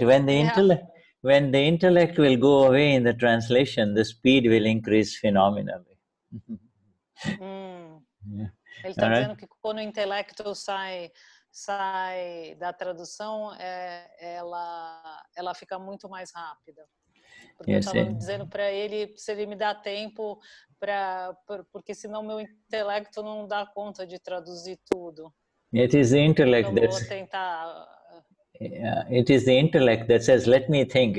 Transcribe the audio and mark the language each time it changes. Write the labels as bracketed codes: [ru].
[en] When the intellect will go away in the translation, the speed will increase phenomenally. [pt] Ele está dizendo que quando o intelecto sai da tradução, ela fica muito mais rápida. Porque eu estava dizendo para ele, se ele me dá tempo, porque senão meu intelecto não dá conta de traduzir tudo. [en] It is the intellect it is the intellect that says, let me think.